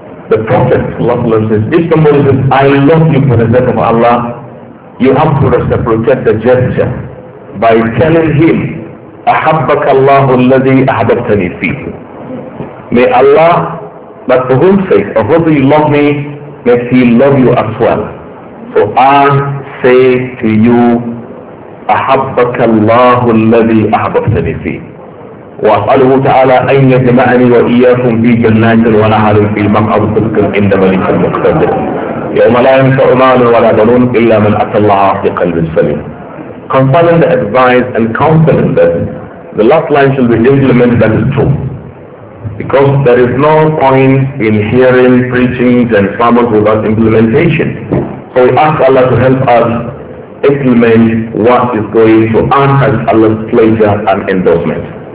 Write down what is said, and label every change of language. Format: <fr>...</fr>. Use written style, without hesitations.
<en>The Prophet says, if somebody says, I love you for the sake of Allah, you have to reciprocate the gesture by telling him,</en> <ar>أحبك الله الذي أحببتني فيه.</ar> <en>May Allah, but for whom sake, or whom do you love me, may he love you as well. So I say to you,</en> <ar>أحبك الله الذي أحببتني فيه. وأسأله تعالى أن يجمعني وإياكم في جنات ونهر في المقعد صدق عند ملك مقتدر. يوم لا ينفع مال ولا بنون إلا من أتى الله في قلب سليم.</ar> <en>Concerning the advice and counseling that the last line shall be implemented, that is true. Because there is no point in hearing preachings and sermons without implementation. So we ask Allah to help us implement what is going to earn us Allah's pleasure and endorsement.</en>